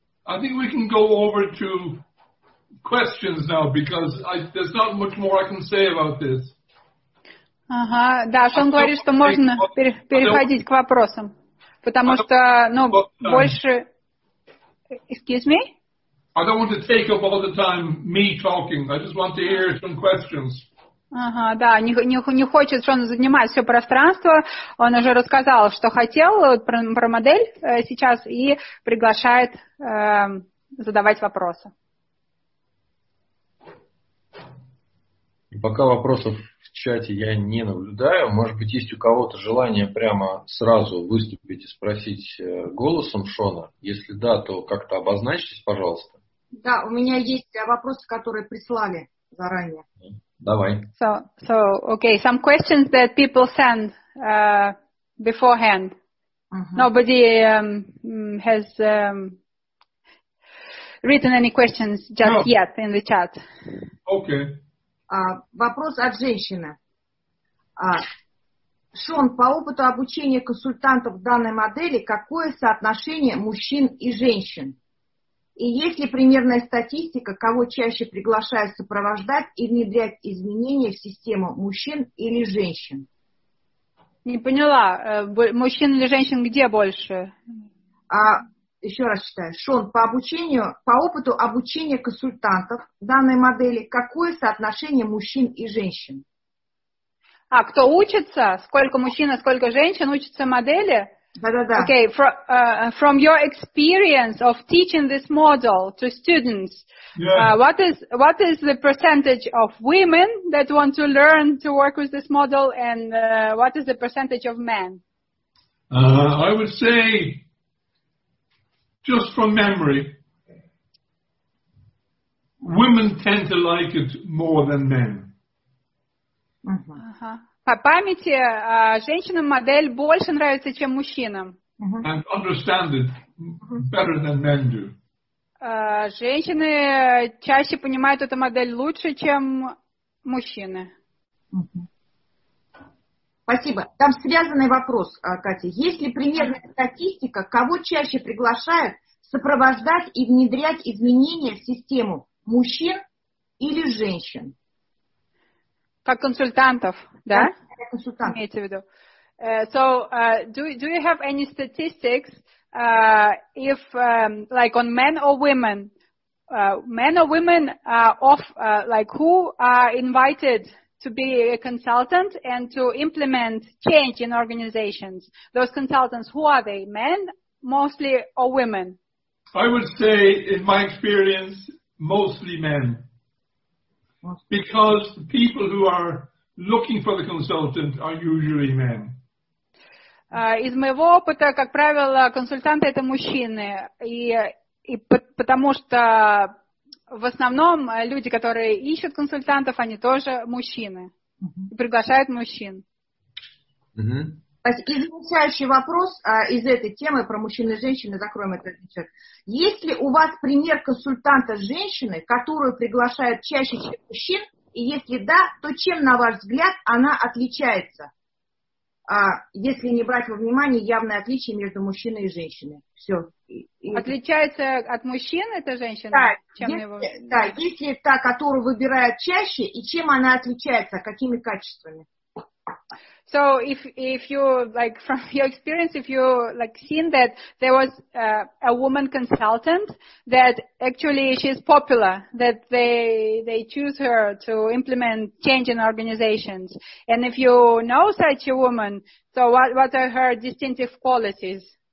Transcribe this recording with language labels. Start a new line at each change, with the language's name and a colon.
English: I think we can go over to questions now, because there's not much more I can say about this.
Russian: Ага, да, Шон говорит, что можно переходить к вопросам, потому что, ну, больше...
English: Excuse me? I don't want to take up all the time me talking. I just want to hear some questions.
Russian: Ага, да, не хочет Шон занимать все пространство. Он уже рассказал, что хотел про модель сейчас и приглашает задавать вопросы. Пока вопросов в чате я не наблюдаю. Может быть, есть у кого-то желание прямо сразу выступить и спросить голосом Шона? Если да, то как-то обозначьтесь, пожалуйста. Да, у меня есть вопросы, которые прислали заранее. Давай.
English: So okay, some questions that people send beforehand. Uh-huh. Nobody has written any questions just no. yet in the chat. Okay.
Russian: Вопрос от женщины. Шон, по опыту обучения консультантов данной модели, какое соотношение мужчин и женщин? И есть ли примерная статистика, кого чаще приглашают сопровождать и внедрять изменения в систему, мужчин или женщин? Не поняла, мужчин или женщин где больше? Еще раз читаю. Шон, по опыту обучения консультантов данной модели, какое соотношение мужчин и женщин? А кто учится? Сколько мужчин, а сколько женщин учатся модели? Да-да-да.
English: Okay, from your experience of teaching this model to students, what is the percentage of women that want to learn to work with this model, and what is the percentage of men? I would say, just from memory, women tend to like it more than men.
Russian: По памяти, женщинам модель больше нравится, чем мужчинам.
English: And understand it better than men do.
Russian: Женщины чаще понимают эту модель лучше, чем мужчины. Спасибо. Там связанный вопрос, Катя. Есть ли примерная статистика, кого чаще приглашают сопровождать и внедрять изменения в систему мужчин или женщин? Как консультантов, да? Как консультантов. Имеется в виду.
English: So, do you have any statistics if, like, on men or women? Men or women are off, like, who are invited to be a consultant and to implement change in organizations? Those consultants, who are they? Men mostly or women? I would say, in my experience, mostly men. Because the people who are looking for the consultant are usually men.
Russian: Из моего опыта, как правило, консультанты – это мужчины. И потому что в основном люди, которые ищут консультантов, они тоже мужчины. И приглашают мужчин. Mm-hmm. И завершающий вопрос из этой темы про мужчин и женщин, закроем этот вечер. Есть ли у вас пример консультанта женщины, которую приглашают чаще, чем мужчин? И если да, то чем, на ваш взгляд, она отличается? Если не брать во внимание явное отличие между мужчиной и женщиной. Все. Отличается от мужчин эта женщина? Да, если та, которую выбирают чаще, и чем она отличается, какими качествами?
English: So if you, like, from your experience, if you, like, seen that there was a woman consultant that actually she's popular, that they choose her to implement change in organizations. And if you know such a woman, so what are her distinctive qualities?